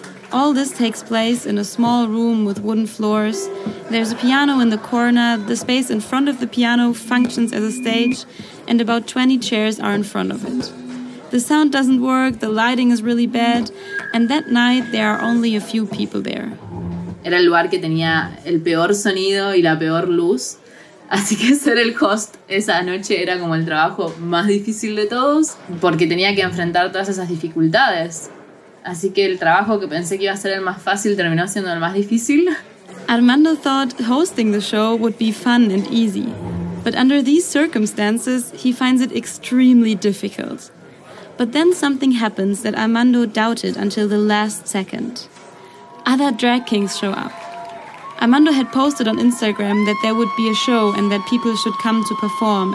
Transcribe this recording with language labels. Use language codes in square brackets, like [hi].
[en] All this takes place in a small room with wooden floors. There's a piano in the corner. The space in front of the piano functions as a stage. And about 20 chairs are in front of it. The sound doesn't work, the lighting is really bad, and that night there are only a few people there. [es] Era el lugar que tenía el peor sonido y la peor luz, así que ser el host esa noche era como el trabajo más difícil de todos, porque tenía que enfrentar todas esas dificultades. Así que el trabajo que pensé que iba a ser el más fácil terminó siendo el más difícil. [en] Armando thought hosting the show would be fun and easy, but under these circumstances he finds it extremely difficult. But then something happens that Armando doubted until the last second. Other drag kings show up. Armando had posted on Instagram that there would be a show and that people should come to perform.